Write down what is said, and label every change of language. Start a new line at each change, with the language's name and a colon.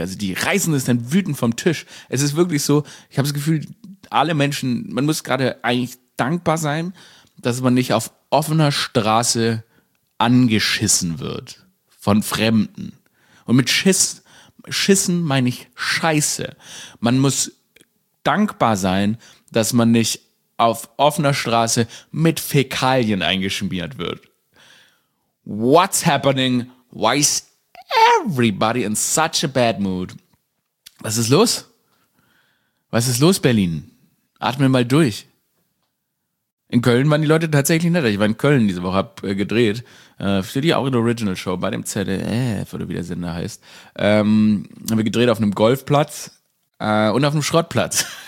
German: Also die reißen es dann wütend vom Tisch. Es ist wirklich so, ich habe das Gefühl, alle Menschen, man muss gerade eigentlich dankbar sein, dass man nicht auf offener Straße angeschissen wird von Fremden. Und mit Schissen meine ich Scheiße. Man muss dankbar sein, dass man nicht auf offener Straße mit Fäkalien eingeschmiert wird.
English: What's happening? Why is everybody in such a bad mood?
German: Was ist los? Was ist los, Berlin? Atme mal durch. In Köln waren die Leute tatsächlich netter. Ich war in Köln diese Woche, habe gedreht. Für die auch in der Original Show bei dem ZDF, oder wie der Sender heißt. Haben wir gedreht auf einem Golfplatz und auf einem Schrottplatz.